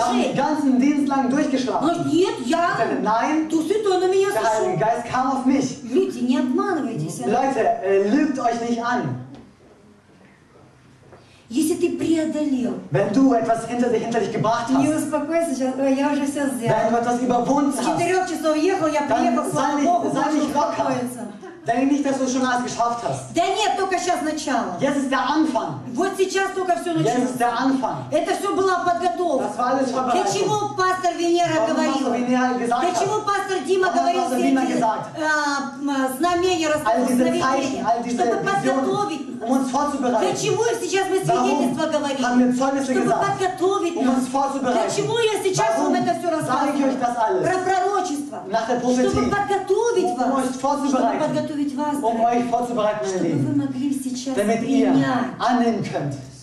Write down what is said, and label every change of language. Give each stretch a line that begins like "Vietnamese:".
German: Sie haben den ganzen Dienst lang durchgeschlafen.
Russian: Нет, я.
German: Nein.
Russian: Дух Святой на меня сошел.
German: Der Heilige Geist kam auf mich.
Russian: Люди, не обманывайтесь.
German: Leute, lügt euch nicht an.
Russian: Если ты преодолел,
German: wenn du etwas hinter dich gebracht hast,
Russian: не успокойся, сейчас, ой, я уже все сделал.
German: Wenn du etwas überwunden hast,
Russian: с 4 часов ехал, я приехал, слава Богу, можно успокоиться.
German: Denk nicht, dass du es schon alles geschafft hast.
Russian: Да нет, только сейчас начало.
German: Jetzt ist der Anfang.
Russian: Вот сейчас только все началось.
German: Jetzt ist der Anfang.
Russian: Это все была подготовка.
German: Das war alles vorbereitet.
Russian: Для чего пастор Венера говорил? Для чего пастор Дима говорил все эти знамения, чтобы подготовить
German: нас? Um uns vorzubereiten.
Russian: Для чего сейчас мы свидетельства говорим? Чтобы подготовить
German: нас? Um uns vorzubereiten.
Russian: Для чего я сейчас вам это все рассказываю? Про пророчество. Чтобы подготовить вас.
German: Um euch vorzubereiten, meine Lieben, damit ihr annehmen könnt.